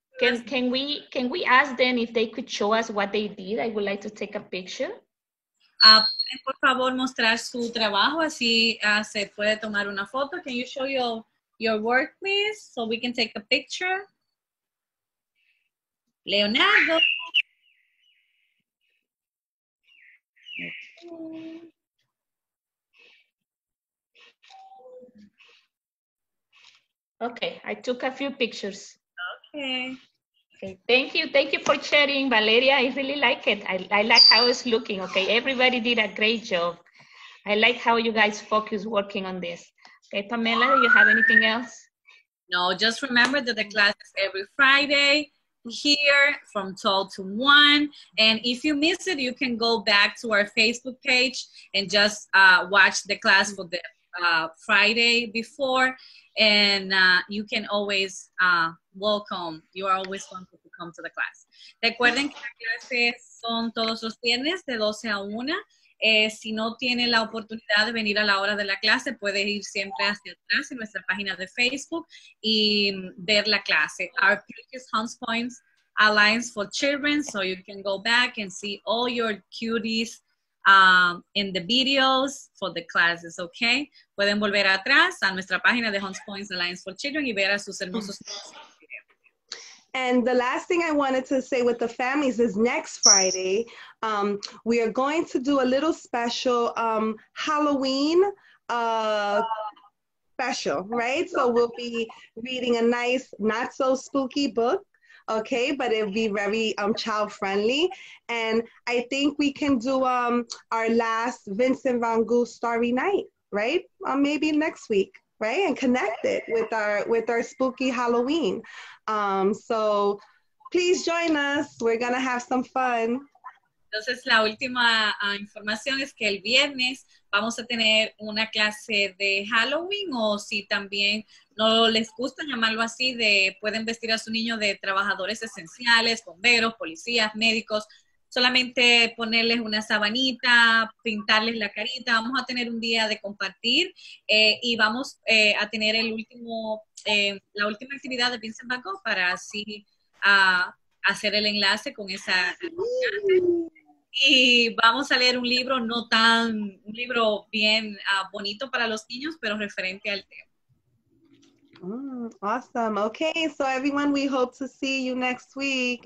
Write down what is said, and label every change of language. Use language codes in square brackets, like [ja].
[en] Can we ask them if they could show us what they did? I would like to take a picture. [es] Por favor, mostrar su trabajo, así se puede tomar una foto. [en] Can you show your work, please, so we can take a picture? Leonardo. Okay, I took a few pictures. Okay. Okay, thank you for sharing, Valeria. I really like it. I like how it's looking, okay? Everybody did a great job. I like how you guys focus working on this. Okay, Pamela, do you have anything else? No, just remember that the class is every Friday here from 12 to 1. And if you miss it, you can go back to our Facebook page and just watch the class for the Friday before. And you can always welcome. You are always welcome to come to the class. [es] Recuerden que las clases son todos los viernes de 12 a 1. Si no tiene la oportunidad de venir a la hora de la clase, puede ir siempre hacia atrás en nuestra página de Facebook y ver la clase. [en] Our previous Home Points Alliance for Children, so you can go back and see all your cuties in the videos for the classes, okay? [es] Pueden volver atrás a nuestra página de Homes Points Alliance for Children y ver a sus hermosos. [en] And the last thing I wanted to say with the families is next Friday, we are going to do a little special Halloween special, right? So we'll be reading a nice, not so spooky book. Okay, but it'd be very child friendly. And I think we can do our last Vincent van Gogh Starry Night, right? Maybe next week, right? And connect it with our spooky Halloween. So please join us. We're gonna have some fun. Yes, [es] Entonces, la última información es que el viernes vamos a tener una clase de Halloween, o si también no les gusta llamarlo así, de pueden vestir a su niño de trabajadores esenciales, bomberos, policías, médicos, solamente ponerles una sabanita, pintarles la carita. Vamos a tener un día de compartir y vamos a tener el último la última actividad de Vincent Van Gogh para así hacer el enlace con esa. Y vamos a leer un libro no tan, un libro bien bonito para los niños, pero referente al tema. [en] Awesome. Okay, so everyone, we hope to see you next week.